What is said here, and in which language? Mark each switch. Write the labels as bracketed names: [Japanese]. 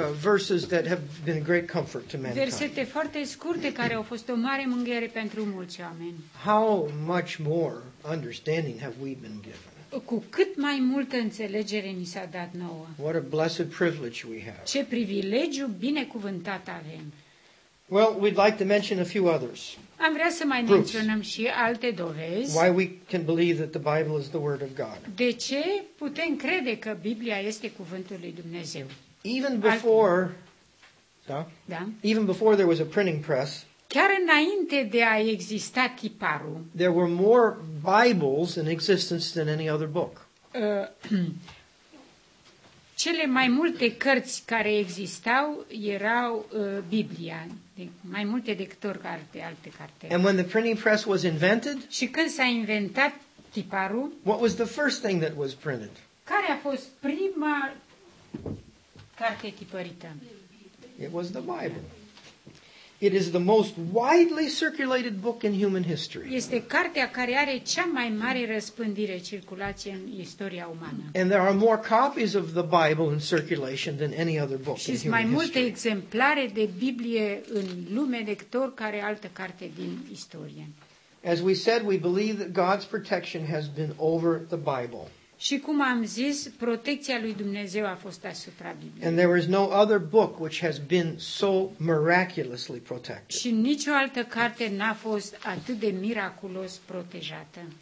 [English] verses that have been a great comfort to mankind. [Romanian] Versete foarte scurte care au fost o mare mânghiere pentru mulți oameni. [English] How much more understanding have we been given? [Romanian] Cu cât mai multă înțelegere ni s-a dat nouă. [English] What a blessed privilege we have. [Romanian] Ce privilegiu binecuvântat avem. [English] Well, we'd like to mention a few others. [Romanian] Am vrea să mai menționăm și alte dovezi. [English] Why we can believe that the Bible is the word of God. [Romanian] De ce putem crede că Biblia este cuvântul lui Dumnezeu? [English] Even before, da? [Romanian] Da. [English] Even before there was a printing press. [Romanian] Chiar înainte de a exista tiparul. [English] There were more Bibles in existence than any other book. [Romanian] Cele mai multe cărți care existau erau Biblia, mai multe decât oricare alte carte. [English] And when the printing press was invented? [Romanian] Și când s-a inventat tiparul? [English] What was the first thing that was printed? [Romanian] Care a fost prima carte tipărită? [English] It was the Bible. It is the most widely circulated book in human history. [Romanian] Este cartea care are cea mai mare răspândire, circulație în istoria umană. [English] And there are more copies of the Bible in circulation than any other book in human history. [Romanian] Și mai multe exemplare de Biblie în lume decât oricare altă carte din istorie. [English] As we said, we believe that God's protection has been over the Bible. [Romanian] Și cum am zis, protecția lui Dumnezeu a fost asupra Bibliei. [English] And there is no other book which has been so miraculously protected. [Romanian] Și nicio altă carte n-a fost atât de miraculos protejată.